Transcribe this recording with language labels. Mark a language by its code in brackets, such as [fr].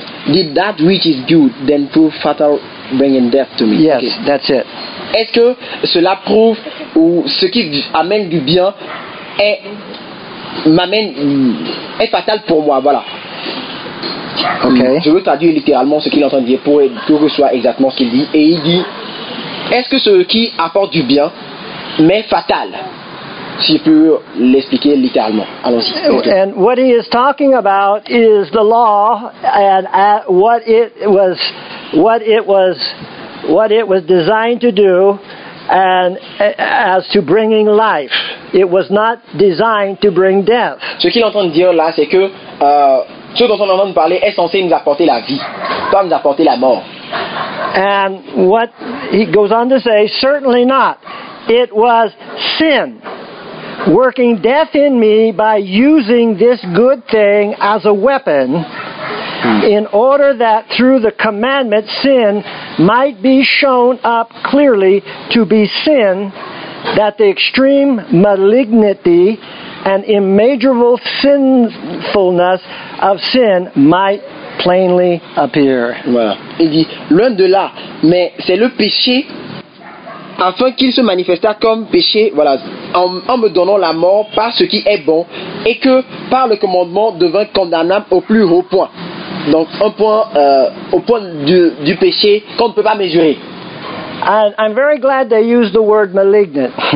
[en] Did that which is good then prove fatal, bringing death to me? Yes, okay. That's it. [fr] Est-ce que cela prouve ou ce qui amène du bien est m'amène est fatal pour moi? Voilà. [en] Okay. [fr] Je veux traduire littéralement ce qu'il entend dire pour que ce soit exactement ce qu'il dit. Et il dit, est-ce que ce qui apporte du bien m'est fatal? Si je peux l'expliquer littéralement. Allons-y. Okay. [en] And what he is talking about is the law and what it was designed to do, and as to bringing life, it was not designed to bring death. [fr] Ce qu'il entend dire là, c'est que ce dont on entend parler est censé nous apporter la vie, pas nous apporter la mort. [en] And what he goes on to say, certainly not. It was sin working death in me by using this good thing as a weapon. In order that through the commandment sin might be shown up clearly to be sin, that the extreme malignity and immeasurable sinfulness of sin might plainly appear. [fr] Voilà. Il dit, loin de là, mais c'est le péché, afin qu'il se manifestât comme péché, voilà, en me donnant la mort par ce qui est bon, et que par le commandement devint condamnable au plus haut point. Donc un point au point du péché qu'on ne peut pas mesurer. [en] And I'm very glad they use the word malignant.